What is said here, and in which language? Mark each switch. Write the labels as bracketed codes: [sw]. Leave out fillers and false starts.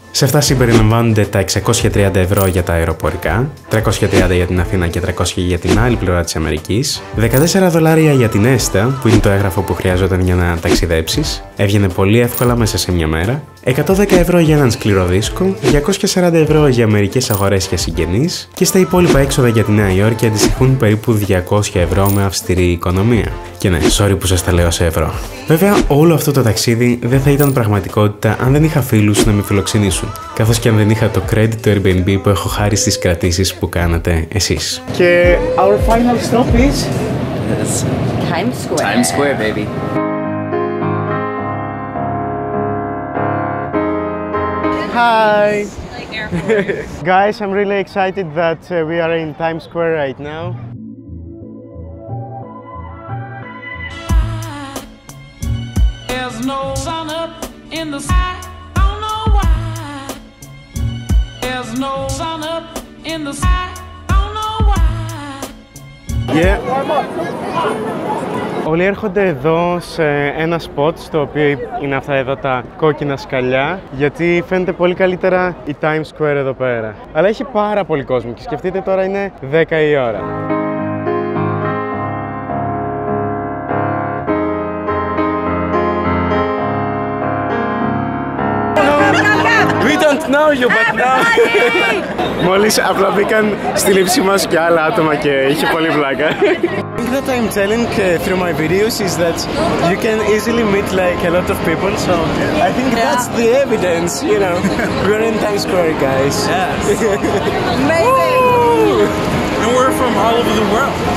[el] Σε αυτά συμπεριλαμβάνονται τα 630 ευρώ για τα αεροπορικά, 330 για την Αθήνα και 300 για την άλλη πλευρά της Αμερικής, 14 δολάρια για την ΕΣΤΑ, που είναι το έγγραφο που χρειαζόταν για να ταξιδέψεις, έβγαινε πολύ εύκολα μέσα σε μια μέρα, 110 ευρώ για έναν σκληρό δίσκο, 240 ευρώ για μερικές αγορές για συγγενείς και στα υπόλοιπα έξοδα για τη Νέα Υόρκη αντιστοιχούν περίπου 200 ευρώ με αυστηρή οικονομία. Και ναι, sorry που σας τα λέω σε ευρώ. Βέβαια, όλο αυτό το ταξίδι δεν θα ήταν πραγματικότητα αν δεν είχα φίλους να με φιλοξενήσουν, καθώς και αν δεν είχα το credit του Airbnb που έχω χάρη στις κρατήσεις που κάνατε εσείς. [en] Και our final stop is... Times Square. Times Square, baby. Hi! Guys, I'm really excited that we are in Times Square right now. There's no sun up in the sky, I don't know why. There's no sun up in the sky, I don't know why. Yeah. [el] Όλοι έρχονται εδώ σε ένα spot στο οποίο είναι αυτά εδώ τα κόκκινα σκαλιά, γιατί φαίνεται πολύ καλύτερα η Times Square εδώ πέρα. Αλλά έχει πάρα πολύ κόσμο και σκεφτείτε τώρα είναι 10 η ώρα. Μόλις απλά μπήκαν στη λήψη μας και άλλα άτομα και είχε πολύ βλάκα. [en] What I'm telling through my videos is that you can easily meet like a lot of people, so yeah. I think that's the evidence, you know. We're in Times Square, guys. Yes. Amazing! Ooh. And we're from all over the world.